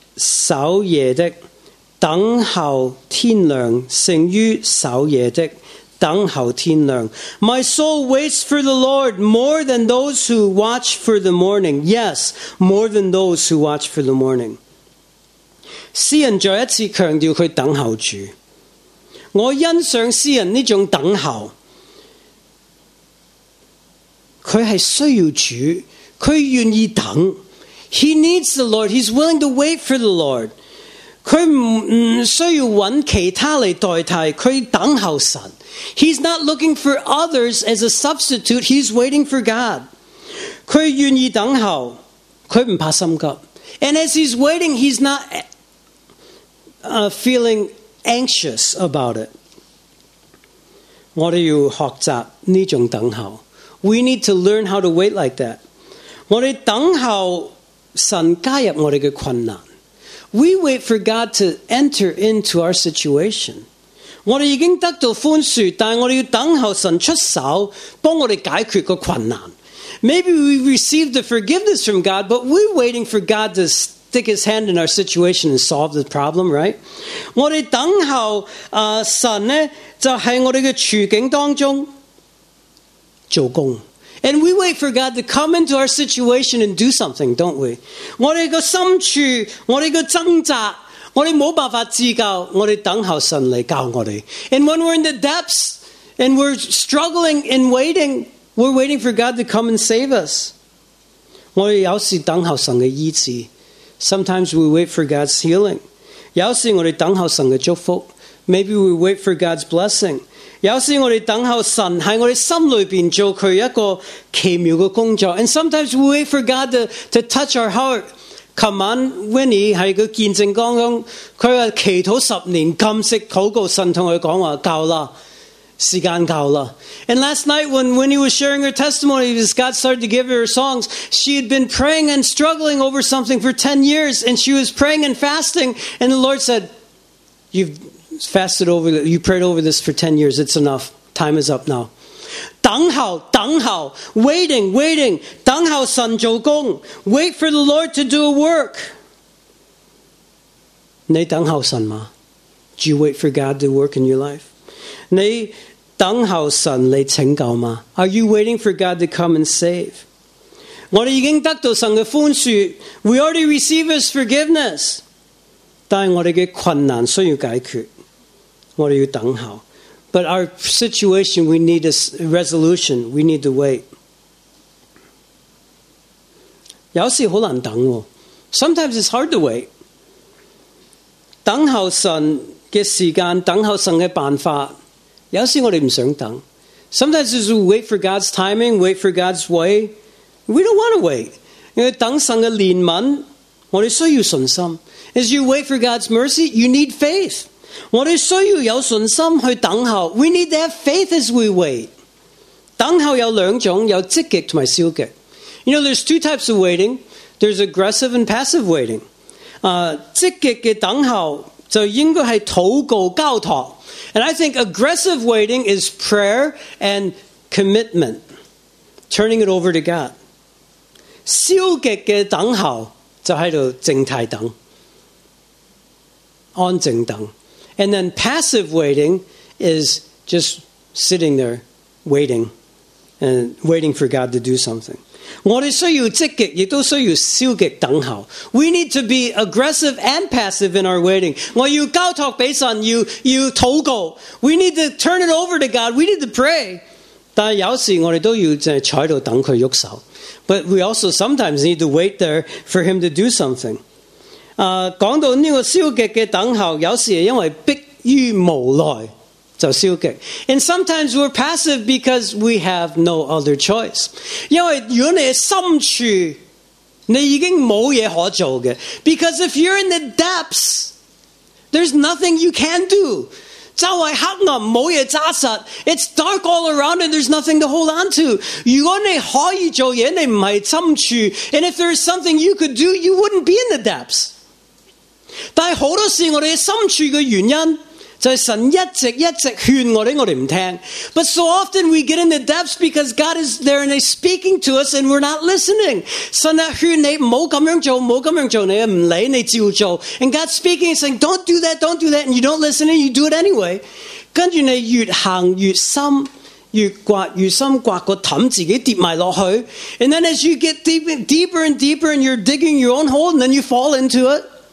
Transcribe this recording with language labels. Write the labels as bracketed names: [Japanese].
[Chinese] 守夜的，等候天亮，胜于守夜的，等候天亮。 [English] My soul waits for the Lord more than those who watch for the morning. Yes, more than those who watch for the morning. [Chinese] 诗人再一次强调他等候主。我欣赏诗人这种等候，他是需要主，他愿意等。 [English] He needs the Lord. He's willing to wait for the Lord. [Chinese] 他不需要找其他来代替，他等候神。 [English] He's not looking for others as a substitute. He's waiting for God. [Chinese] 他愿意等候，他不怕心急。 [English] And as he's waiting, he's not feeling anxious about it. [Chinese] 我们要学习这种等候。 [English] We need to learn how to wait like that. [Chinese] 我们等候神加入我们的困难。 [English] We wait for God to enter into our situation. [Chinese] 我们已经得到宽恕，但我们要等候神出手帮我们解决个困难。 [English] Maybe we received the forgiveness from God, but we're waiting for God to stick his hand in our situation and solve the problem, right? [Chinese] 我们等候神呢，就是我们的处境当中做工。 [English] And we wait for God to come into our situation and do something, don't we? [Chinese] 我们的心处，我们的挣扎，我们没办法自救，我们等候神来救我们。 [English] And when we're in the depths, and we're struggling and waiting, we're waiting for God to come and save us. [Chinese] 我们有时等候神的医治。 [English] Sometimes we wait for God's healing. [Chinese] 有时我们等候神的祝福。 [English] Maybe we wait for God's blessing. [Chinese] 有时我们等候神在我们心里面做祂一个奇妙的工作。 [English] And sometimes we wait for God to touch our heart. Come on, [Chinese] Winnie, 在他见证当中，他说祈祷十年，禁食祷告，神跟他说够了，时间够了。 [English] And last night when Winnie was sharing her testimony, God started to give her songs, she had been praying and struggling over something for 10 years, and she was praying and fasting, and the Lord said, You prayed over this for 10 years. It's enough. Time is up now. [Chinese] 等候，等候， [English] waiting, waiting. [Chinese] 等候神做工。 [English] Wait for the Lord to do a work. [Chinese] 你等候神吗？ [English] Do you wait for God to work in your life? [Chinese] 你等候神来拯救吗？ [English] Are you waiting for God to come and save? [Chinese] 我们已经得到神的宽恕。 [English] We already received His forgiveness. [Chinese] 但我们的困难需要解决。 [English] What are you [Chinese] 等候 [English] But our situation, we need a resolution. We need to wait. [Chinese] 有时好难等哦。 [English] Sometimes it's hard to wait. [Chinese] 等候神的时间，等候神的办法，有时我们不想等。 [English] Sometimes we wait for God's timing, wait for God's way. We don't want to wait. [Chinese] 因为等神的怜悯，我们需要信心。 [English] As you wait for God's mercy, you need faith. [Chinese] 我们需要有信心去等候。 [English] We need to have faith as we wait. [Chinese] 等候有两种，有积极和消极。 [English] You know, there's two types of waiting. There's aggressive and passive waiting. [Chinese] 积极的等候就应该是祷告交托。 [English] And I think aggressive waiting is prayer and commitment. Turning it over to God. [Chinese] 消极的等候就在静态等。安静等。 [English] And then passive waiting is just sitting there waiting and waiting for God to do something. [Chinese] 我们需要积极，也都需要消极等候。 [English] We need to be aggressive and passive in our waiting. [Chinese] 我要交托给神，要祷告。 [English] We need to turn it over to God. We need to pray. [Chinese] 但有时我们都要在坐着等祂动手。 [English] But we also sometimes need to wait there for Him to do something. [Chinese] 讲到这个消极的等候，有时是因为迫于无奈就消极。 [English] And sometimes we're passive because we have no other choice. [Chinese] 因为如果你的心处，你已经没有事可做的。 [English] Because if you're in the depths, there's nothing you can do. [Chinese] 周围黑暗，没有扎实。 [English] It's dark all around and there's nothing to hold on to. [Chinese] 如果你可以做的，你不是心处。 [English] And if there's something you could do, you wouldn't be in the depths. [Chinese] 但是很多时候我们心处的原因就是神一直一直劝我们，我们不听。 [English] But so often we get in the depths because God is there and he's speaking to us and we're not listening. [Chinese] 神在劝你，不要这样做，不要这样做，你不理，你照做。 [English] And God's speaking and saying, don't do that, don't do that, and you don't listen and you do it anyway. [Chinese] 跟着你越行越深，越刮越深，刮个氹自己跌埋落去。 [English] And then as you get deeper and deeper and you're digging your own hole and then you fall into it.